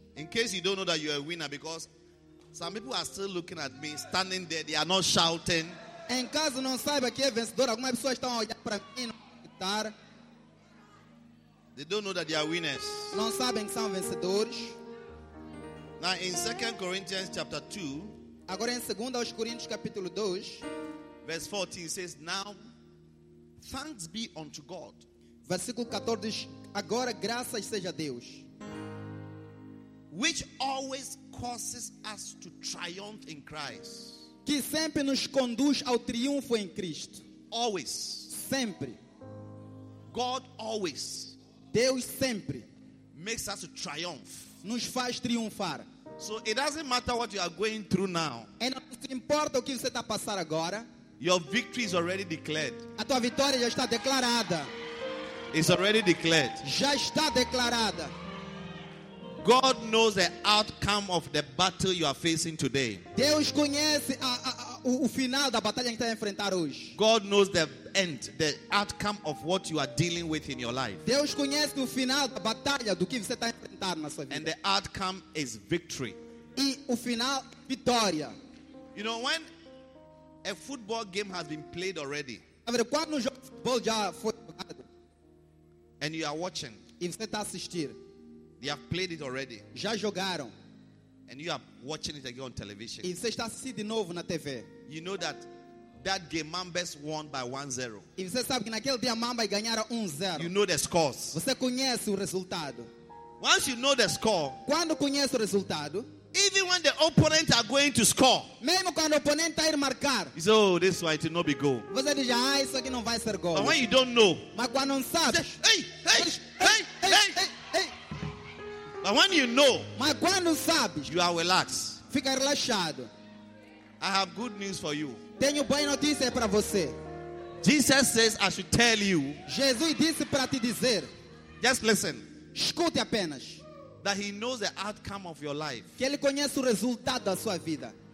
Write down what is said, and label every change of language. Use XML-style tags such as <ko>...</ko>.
<en>In case you don't know that you are a winner, because some people are still looking at me, standing there, they are not shouting.</en> <pt>Em caso não saiba que é vencedor, algumas pessoas estão olhando para mim e não gritar.</pt> <en>They don't know that they are winners.</en> <pt>Não sabem que são vencedores.</pt> <en>Now in 2 Corinthians chapter 2,</en> <pt>agora em 2 Coríntios capítulo 2,</pt> <en>verse 14 says, now thanks be unto God.</en> <pt>Versículo 14 diz, agora graças seja a Deus.</pt> <en>Which always causes us to triumph in Christ.</en> <pt>Que sempre nos conduz ao triunfo em Cristo.</pt> <en>Always.</en> <pt>Sempre.</pt> <en>God always.</en> <pt>Deus sempre</pt> <en>makes us triumph.</en> <pt>Nos faz triunfar.</pt> <en>So it doesn't matter what you are going through now.</en> <pt>E não importa o que você está a passar agora.</pt> <en>Your victory is already declared.</en> <pt>A tua vitória já está declarada.</pt> <en>It's already declared.</en> <pt>Já está declarada.</pt> <en>God knows the outcome of the battle you are facing today.</en> <pt>Deus conhece o final da batalha que está a enfrentar hoje.</pt> <en>God knows the end, the outcome of what you are dealing with in your life.</en> <pt>Deus conhece o final da batalha do que você está a enfrentar na sua vida.</pt> <en>And the outcome is victory.</en> <pt>E o final, vitória.</pt> <en>You know, when a football game has been played already,</en> <pt>quando um jogo de futebol já foi jogado,</pt> <en>and you are watching,</en> <pt>e você está a assistir,</pt> <en>they have played it already.</en> <pt>Já jogaram.</pt> <en>And you are watching it again on television.</en> <pt>E você está assistindo de novo na TV.</pt> <en>You know that game Mambas won by 1-0.</en> <pt>E você sabe que naquele dia Mambas ganharam 1-0.</pt> <en>You know the scores.</en> <pt>Você conhece o resultado.</pt> <en>Once you know the score.</en> <pt>Quando conhece o resultado.</pt> <en>Even when the opponent are going to score.</en> <pt>Mesmo quando o oponente está a ir marcar.</pt> <en>You say, oh, this one, it will not be goal.</en> <pt>Você diz, ah, isso aqui não vai ser gol.</pt> <en>But when you don't know.</en> <pt>Mas quando não sabe.</pt> <en>Hey, hey, hey, hey, hey, hey. But when you know,</en> <pt>mas quando sabes,</pt> <en>you are relaxed.</en> <pt>Fica relaxado.</pt> <en>I have good news for you.</en> <pt>Tenho boa notícia para você.</pt> <en>Jesus says, I should tell you.</en> <pt>Jesus disse para te dizer.</pt> <en>Just listen.</en> <pt>Escute apenas.</pt> <en>That he knows the outcome of your life.</en> <pt>Que ele conhece o resultado da sua vida.</pt>